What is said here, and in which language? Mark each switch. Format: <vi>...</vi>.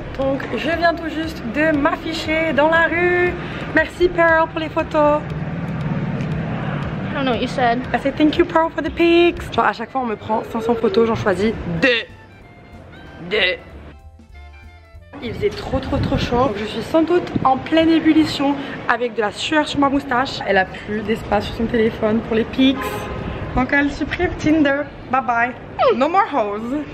<fr>Donc je viens tout juste de m'afficher dans la rue. Merci Pearl pour les photos.</fr> <en>I don't know what you said. I said thank you Pearl for the pics.</en> <fr>Genre à chaque fois on me prend 500 photos, j'en choisis 2. 2. Il faisait trop chaud. Donc je suis sans doute en pleine ébullition avec de la sueur sur ma moustache. Elle a plus d'espace sur son téléphone pour les pics. Donc elle supprime Tinder.</fr> <en>Bye bye. No more hoes.</en>